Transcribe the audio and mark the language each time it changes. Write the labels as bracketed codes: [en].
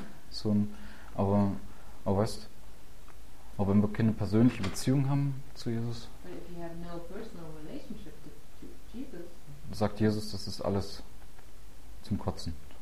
[de] So ein, aber weißt, aber wenn wir keine persönliche Beziehung haben zu Jesus, [en] but if you have no personal relationship to Jesus, [de] sagt Jesus, das ist alles zum Kotzen.